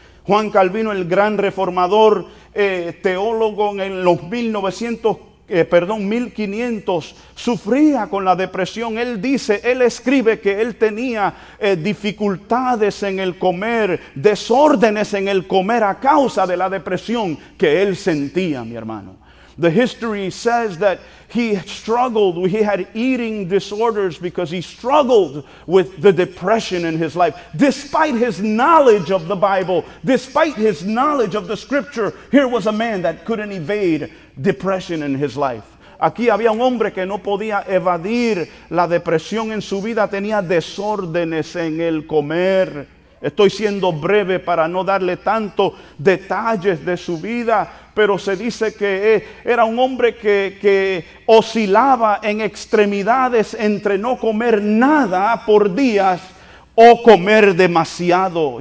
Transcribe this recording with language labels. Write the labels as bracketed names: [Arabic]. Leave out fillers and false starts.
[Spanish] Juan Calvino, el gran reformador, teólogo en los 1500, sufría con la depresión. Él escribe que él tenía dificultades en el comer, desórdenes en el comer a causa de la depresión que él sentía, mi hermano. [English] The history says that he struggled, he had eating disorders because he struggled with the depression in his life. Despite his knowledge of the Bible, despite his knowledge of the scripture, here was a man that couldn't evade depression in his life. [Spanish] Aquí había un hombre que no podía evadir la depresión en su vida, tenía desórdenes en el comer. Estoy siendo breve para no darle tanto detalles de su vida, pero se dice que era un hombre que oscilaba en extremidades entre no comer nada por días o comer demasiado.